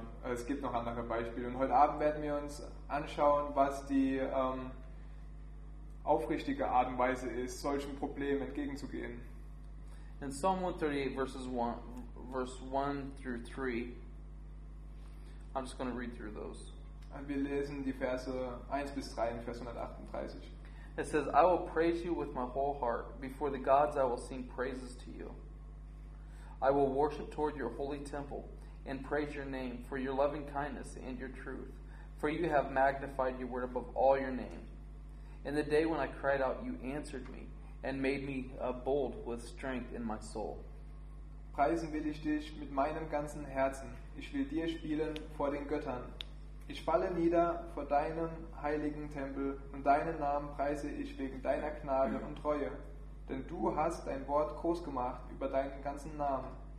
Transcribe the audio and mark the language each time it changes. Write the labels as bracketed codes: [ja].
[de] Es gibt noch andere Beispiele. Und heute Abend werden wir uns anschauen, was die aufrichtige Art und Weise ist, solchen Problemen entgegenzugehen. [en] In Psalm 138, verse 1 through 3, I'm just going to read through those. [de] Wir lesen die Verse 1 bis 3 in Vers 138. [en] It says, I will praise you with my whole heart. Before the gods I will sing praises to you. I will worship toward your holy temple and praise your name for your loving kindness and your truth. For you have magnified your word above all your name. In the day when I cried out, you answered me and made me bold with strength in my soul. [de] Preisen will ich dich mit meinem ganzen Herzen. Ich will dir spielen vor den Göttern. Ich falle nieder vor deinem heiligen Tempel und deinen Namen preise ich wegen deiner Gnade und Treue. Denn du hast dein Wort groß gemacht über deinen ganzen Namen.